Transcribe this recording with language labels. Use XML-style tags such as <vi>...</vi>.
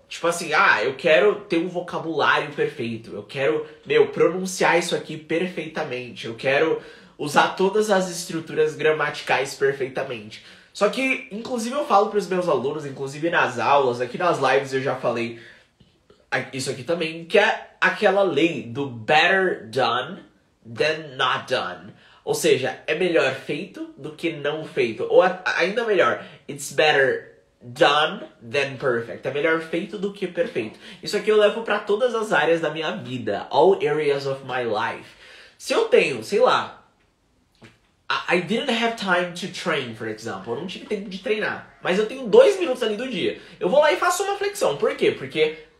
<pt>Tipo assim, ah, eu quero ter um vocabulário perfeito, eu quero, meu, pronunciar isso aqui perfeitamente, eu quero usar todas as estruturas gramaticais perfeitamente. Só que, inclusive, eu falo pros meus alunos, inclusive nas aulas, aqui nas lives eu já falei... Isso aqui também, que é aquela lei do</pt> <en>better done than not done.</en> <pt>Ou seja, é melhor feito do que não feito. Ou ainda melhor,</pt> <en>it's better done than perfect.</en> <pt>É melhor feito do que perfeito. Isso aqui eu levo pra todas as áreas da minha vida.</pt> <en>All areas of my life.</en> <pt>Se eu tenho, sei lá,</pt> <en>I didn't have time to train, for example.</en> <pt>Eu não tive tempo de treinar. Mas eu tenho 2 minutos ali do dia. Eu vou lá e faço uma flexão. Por quê? Porque...</pt>